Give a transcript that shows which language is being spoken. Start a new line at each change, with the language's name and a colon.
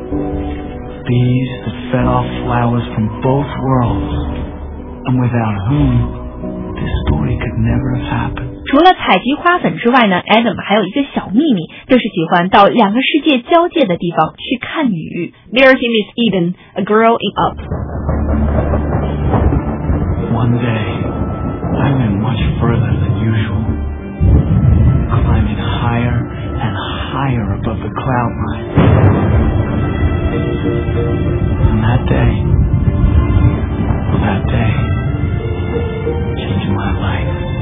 English: Bees that fed off flowers from both worlds, and without whom, this story could never have happened.
Chinese: 除了采集花粉之外呢， Adam 还有一个小秘密，就是喜欢到两个世界交界的地方去看雨。
English: There he meets Eden, a girl in up. One day, I went much further than usual, climbing higher and higher above the cloud line. And that day, changed my life.